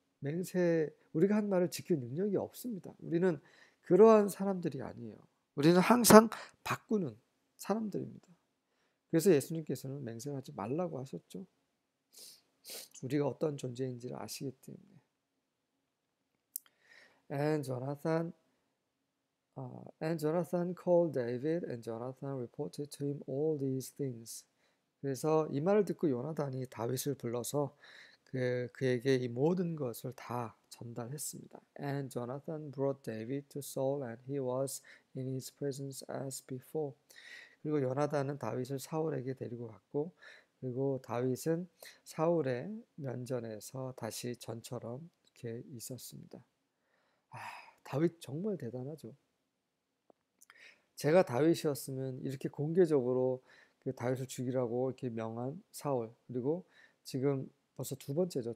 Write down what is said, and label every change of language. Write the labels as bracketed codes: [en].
[ko] 맹세, 우리가 한 말을 지킬 능력이 없습니다. 우리는 그러한 사람들이 아니에요. 우리는 항상 바꾸는 사람들입니다. 그래서 예수님께서는 맹세하지 말라고 하셨죠. 우리가 어떤 존재인지를 아시기 때문에. [en] And Jonathan called David, and Jonathan reported to him all these things. [ko] 그래서 이 말을 듣고 요나단이 다윗을 불러서 그에게 이 모든 것을 다 전달했습니다. [en] And Jonathan brought David to Saul, and he was in his presence as before. [ko] 그리고 요나단은 다윗을 사울에게 데리고 갔고, 그리고 다윗은 사울의 면전에서 다시 전처럼 이렇게 있었습니다. 다윗 정말 대단하죠. 제가 다윗이었으면 이렇게 공개적으로 그 다윗을 죽이라고 이렇게 명한 사울, 그리고 지금 벌써 두 번째죠.